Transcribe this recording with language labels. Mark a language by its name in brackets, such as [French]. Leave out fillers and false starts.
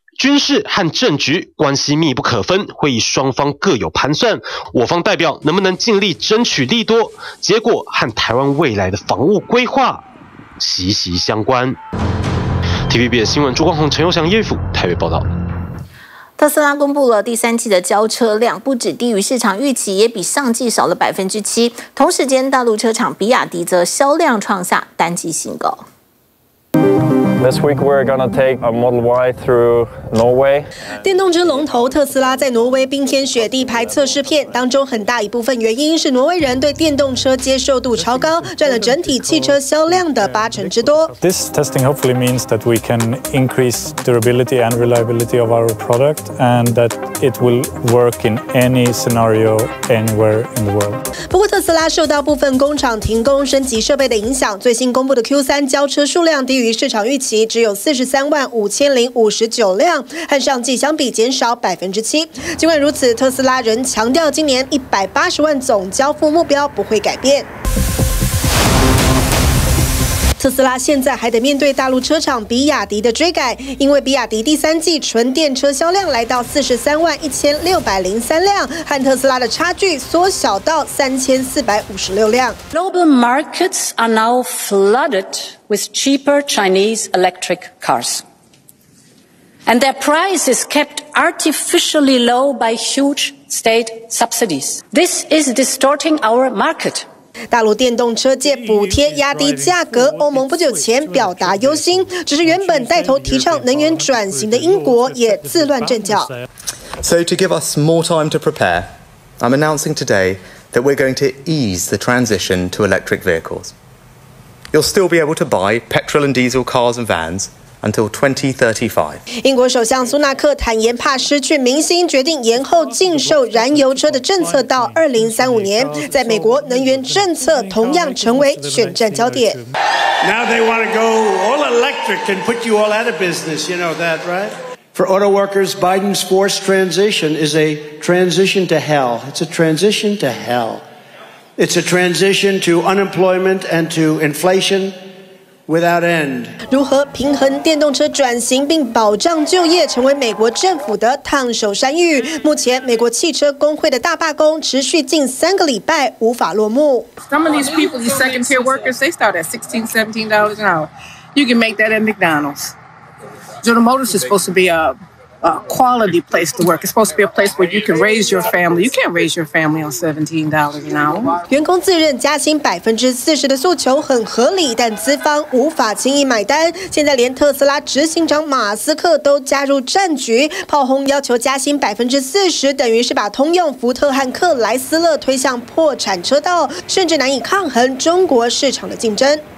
[Chinese] 军事和政局关系密不可分，会议双方各有盘算，我方代表能不能尽力争取利多，结果和台湾未来的防务规划息息相关。 TVBS 新闻朱光宏、陈佑翔、叶甫台北报道。特斯拉公布了第三季的交车量，不止低于市场预期，也比上季少了7%。同时间，大陆车厂比亚迪则销量创下单季新高。 [English] This week we're gonna take a Model Y through Norway. [Chinese] 电动车龙头特斯拉在挪威冰天雪地拍测试片，当中很大一部分原因是挪威人对电动车接受度超高，占了整体汽车销量的80%+。 [English] This testing hopefully means that we can increase durability and reliability of our product, and that it will work in any scenario anywhere in the world. [Chinese] 不过特斯拉受到部分工厂停工、升级设备的影响，最新公布的 Q3 交车数量低于市场预期。其只有435,059辆，和上季相比减少7%。尽管如此，特斯拉仍强调今年1,800,000总交付目标不会改变。特斯拉现在还得面对大陆车厂比亚迪的追赶，因为比亚迪第三季纯电车销量来到431,603辆，和特斯拉的差距缩小到3,456辆。 [English] Global markets are now flooded with cheaper Chinese electric cars, and their price is kept artificially low by huge state subsidies. This is distorting our market. [Chinese] 大陆电动车借补贴压低价格，欧盟不久前表达忧心，只是原本带头提倡能源转型的英国也自乱阵脚。 [English] So to give us more time to prepare, I'm announcing today that we're going to ease the transition to electric vehicles. You'll still be able to buy petrol and diesel cars and vans. Until 2035. [Chinese] 英国首相苏纳克坦言怕失去民心，决定延后禁售燃油车的政策到2035年。在美国，能源政策同样成为选战焦点。 [English] Now they want to go all electric and put you all out of business. You know that, right? For auto workers, Biden's forced transition is a transition to hell. It's a transition to hell. It's a transition to unemployment and to inflation. Without end. [Chinese] 如何平衡电动车转型并保障就业，成为美国政府的烫手山芋。目前，美国汽车工会的大罢工持续近3个礼拜无法落幕。 [English] Some of these people, these second tier workers, they start at $16-$17 an hour. You can make that at McDonald's. General Motors is supposed to be a quality place to work. It's supposed to be a place where you can raise your family. You can't raise your family on $17 an hour. [Chinese] 员工自认加薪40%的诉求很合理，但资方无法轻易买单。现在连特斯拉执行长马斯克都加入战局，炮轰要求加薪40%，等于是把通用、福特和克莱斯勒推向破产车道，甚至难以抗衡中国市场的竞争。